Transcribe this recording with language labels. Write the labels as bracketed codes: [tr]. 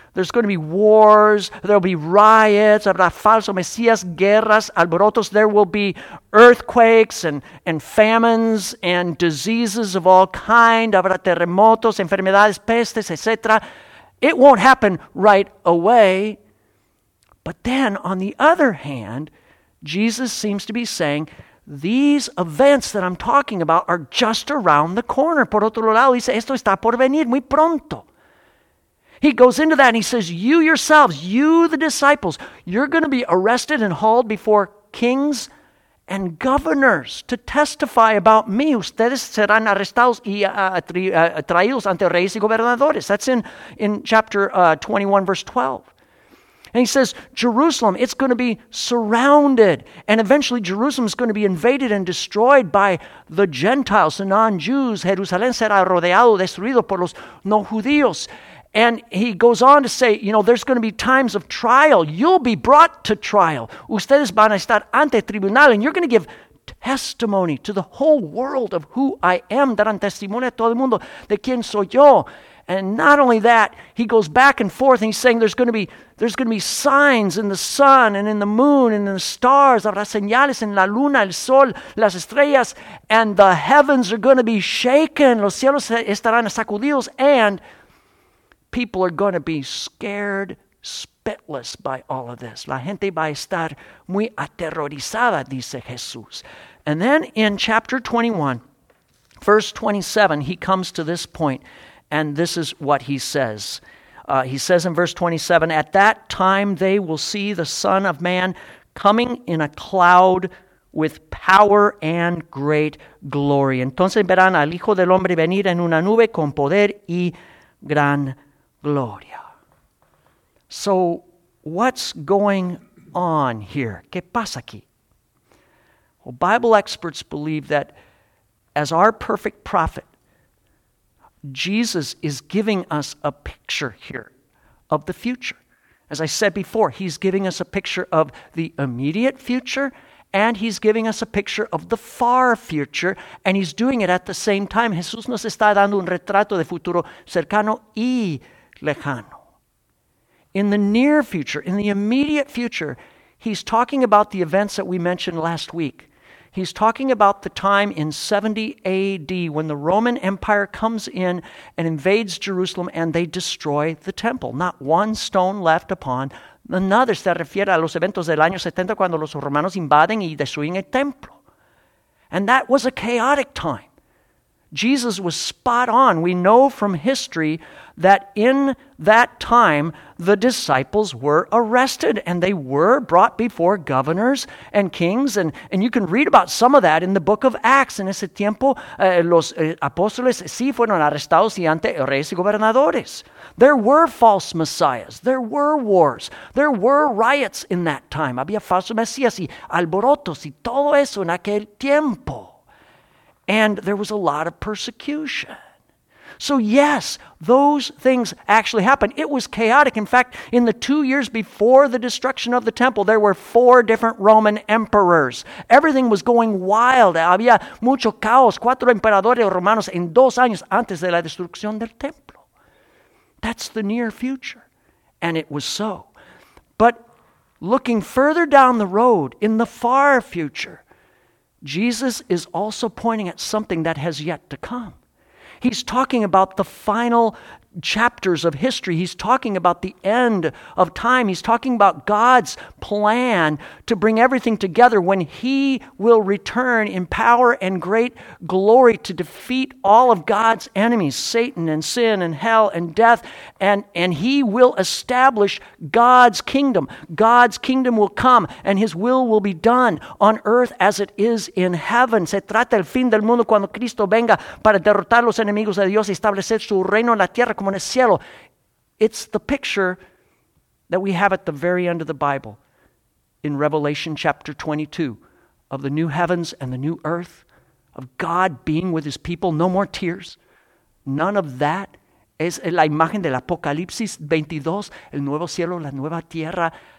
[en] There's going to be wars, there'll be riots, [es] habrá falsos mesías, guerras, alborotos, [en] there will be earthquakes and famines and diseases of all kind, [es] habrá terremotos, enfermedades, pestes, etc. [en] It won't happen right away. But then, on the other hand, Jesus seems to be saying, these events that I'm talking about are just around the corner. [es] Por otro lado, dice, esto está por venir muy pronto. [en] He goes into that and he says, you yourselves, you the disciples, you're going to be arrested and hauled before kings and governors to testify about me. [es] Ustedes serán arrestados y traídos ante reyes y gobernadores. [en] That's in chapter 21, verse 12. And he says, Jerusalem, it's going to be surrounded. And eventually Jerusalem is going to be invaded and destroyed by the Gentiles, the non-Jews. [es] Jerusalén será rodeado, destruido por los no judíos. [en] And he goes on to say, you know, there's going to be times of trial. You'll be brought to trial. [es] Ustedes van a estar ante tribunal, [en] and you're going to give testimony to the whole world of who I am. [es] Darán testimonio a todo el mundo de quién soy yo. [en] And not only that, he goes back and forth, and he's saying there's going to be signs in the sun and in the moon and in the stars. [es] Habrá señales en la luna, el sol, las estrellas, [en] and the heavens are going to be shaken. [es] Los cielos estarán sacudidos, [en] and people are going to be scared, spitless by all of this. [es] La gente va a estar muy aterrorizada, dice Jesús. [en] And then in chapter 21, verse 27, he comes to this point, and this is what he says. He says in verse 27, "At that time they will see the Son of Man coming in a cloud with power and great glory." [es] Entonces verán al Hijo del Hombre venir en una nube con poder y gran glory. [en] Gloria. So, what's going on here? [es] ¿Qué pasa aquí? [en] Well, Bible experts believe that as our perfect prophet, Jesus is giving us a picture here of the future. As I said before, he's giving us a picture of the immediate future, and he's giving us a picture of the far future, and he's doing it at the same time. [es] Jesús nos está dando un retrato de futuro cercano y lejano. [en] In the near future, in the immediate future, He's talking about the events that we mentioned last week. He's talking about the time in 70 AD when the Roman Empire comes in and invades Jerusalem and they destroy the temple. Not one stone left upon another. [es] Se refiere a los eventos del año 70 cuando los romanos invaden y destruyen el templo. [en] And that was a chaotic time. Jesus was spot on. We know from history that in that time, the disciples were arrested and they were brought before governors and kings. And you can read about some of that in the book of Acts. [es] En ese tiempo, los apóstoles sí fueron arrestados y ante reyes y gobernadores. [en] There were false messiahs. There were wars. There were riots in that time. [es] Había falsos mesías y alborotos y todo eso en aquel tiempo. [en] And there was a lot of persecution. So yes, those things actually happened. It was chaotic. In fact, in the 2 years before the destruction of the temple, there were four different Roman emperors. Everything was going wild. [es] Había mucho caos. Cuatro emperadores romanos en 2 años antes de la destrucción del templo. [en] That's the near future. And it was so. But looking further down the road, in the far future, Jesus is also pointing at something that has yet to come. He's talking about the final chapters of history. He's talking about the end of time. He's talking about God's plan to bring everything together when he will return in power and great glory to defeat all of God's enemies, Satan and sin and hell and death, and he will establish God's kingdom. God's kingdom will come and his will be done on earth as it is in heaven. [es] Se trata del fin del mundo cuando Cristo venga para derrotar los enemigos de Dios y establecer su reino en la tierra. [en] It's the picture that we have at the very end of the Bible in Revelation chapter 22 of the new heavens and the new earth, of God being with his people, no more tears, none of that. [es] Es la imagen del Apocalipsis 22, el nuevo cielo, la nueva tierra.